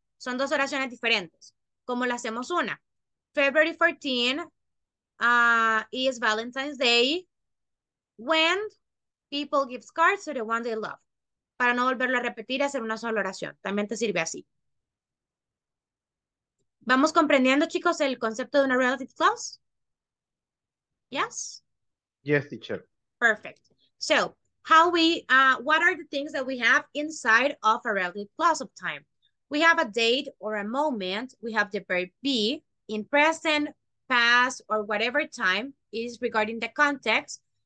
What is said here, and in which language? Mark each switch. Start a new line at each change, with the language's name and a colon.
Spanish: Son dos oraciones diferentes. ¿Cómo le hacemos una?
English: February 14 is Valentine's Day when people give cards to the ones they love.
Spanish: Para no volverlo a repetir, hacer una sola oración. También te sirve así. ¿Vamos comprendiendo, chicos, el concepto de una relative clause?
English: Yes? Yes, teacher. Perfect. So, what are the things that we have inside of a relative clause of time? We have a date or a moment. We have the verb be in present, past, or whatever time is regarding the context.